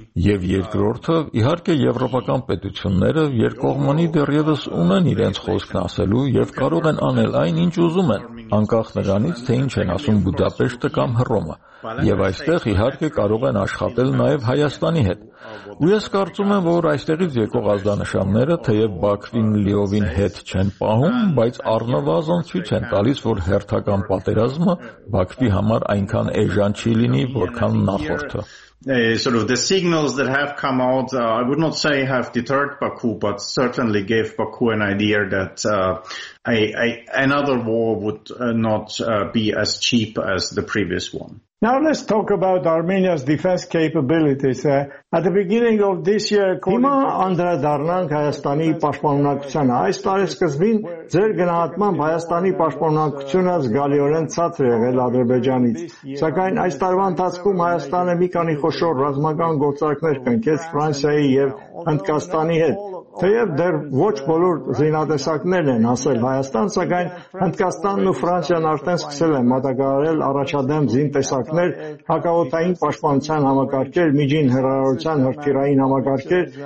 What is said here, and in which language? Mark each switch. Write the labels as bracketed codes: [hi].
[hy] Եվ երկրորդը, իհարկե, եվրոպական պետությունները երկկողմանի դեռևս ունեն իրենց խոսքն ասելու և կարող են անել այն, ինչ ուզում են, անկախ նրանից, թե ինչ են ասում Բուդապեշտը կամ Հռոմը, և այստեղ իհարկե կարող են աշխատել նաև Հայաստանի հետ։ Ու ես կարծում եմ, որ այստեղից եկող ազդանշանները թեև Բաքվին Լիովին հետ չեն պահում, բայց առնվազն ցույց են տալիս, որ հերթական պատերազմը Բաքվի համար այնքան էժան չի լինի, որքան նախորդը։ [en] Sort of the signals that have come out, I would not say have deterred Baku, but certainly gave Baku an idea that another war would not be as cheap as the previous one. Now let's talk about Armenia's defense capabilities. At the beginning of this year, [hy] Հիմա անդրադառնանք Հայաստանի պաշտպանունակությանը։ Այս տարի սկզբին ձեր գնահատմամբ Հայաստանի պաշտպանունակությունը զգալիորեն ցածր եղել Ադրբեջանից։ Սակայն այս տարվա ընթացքում Հայաստանը մի քանի խոշոր ռազմական գործարքներ կնքեց Ֆրանսիայի և Հնդկաստանի հետ։ Թեև դեռ ոչ բոլոր զինատեսակներն են հասել Հայաստան, սակայն Հնդկաստանն ու Ֆրանսիան արդեն սկսել են մատակարարել առաջադեմ զինտեսակներ, հակաօդային պաշտպանության համակարգեր, միջին հեռարարության հրթիռային համակարգեր